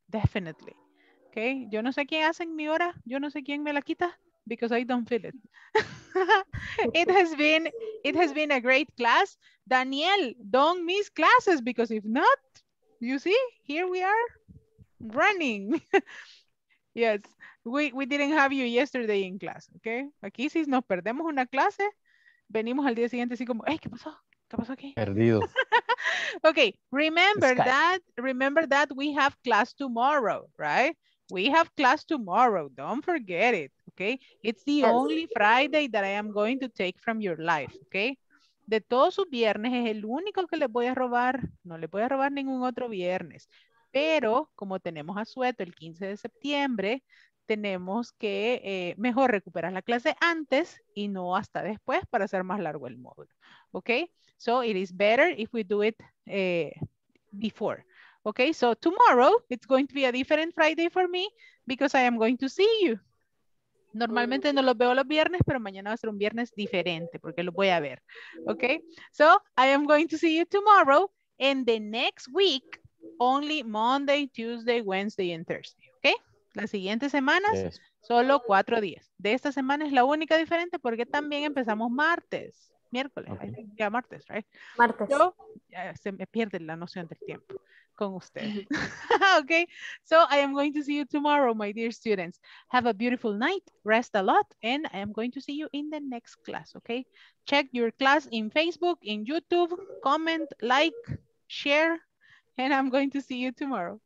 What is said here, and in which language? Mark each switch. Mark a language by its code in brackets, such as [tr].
[es] Definitely. Okay. Yo no sé quién hace mi hora. Yo no sé quién me la quita. [en] Because I don't feel it. It has been a great class. Daniel, don't miss classes. Because if not, you see, here we are running. Yes, we didn't have you yesterday in class, okay? [es] Aquí si nos perdemos una clase, venimos al día siguiente así como, hey, ¿qué pasó? ¿Qué pasó aquí? Perdido. [en] Okay, remember that we have class tomorrow, right? We have class tomorrow, don't forget it, okay? It's the only Friday that I am going to take from your life, okay? [es] De todos sus viernes es el único que les voy a robar, no les voy a robar ningún otro viernes. Pero como tenemos asueto el 15 de septiembre, tenemos que mejor recuperar la clase antes y no hasta después para hacer más largo el módulo. [en] Okay, so it is better if we do it before. Okay, so tomorrow it's going to be a different Friday for me because I am going to see you. [es] Normalmente no los veo los viernes, pero mañana va a ser un viernes diferente porque los voy a ver. [en] Okay, so I am going to see you tomorrow and the next week, only Monday, Tuesday, Wednesday, and Thursday, okay? [es] Las siguientes semanas, solo 4 días. De esta semana es la única diferente porque también empezamos martes, miércoles, okay. Ya martes, right? Martes. Yo, ya se me pierde la noción del tiempo con usted. [en] Okay, so I am going to see you tomorrow, my dear students. Have a beautiful night, rest a lot, and I am going to see you in the next class, okay? Check your class in Facebook, in YouTube, comment, like, share, and I'm going to see you tomorrow.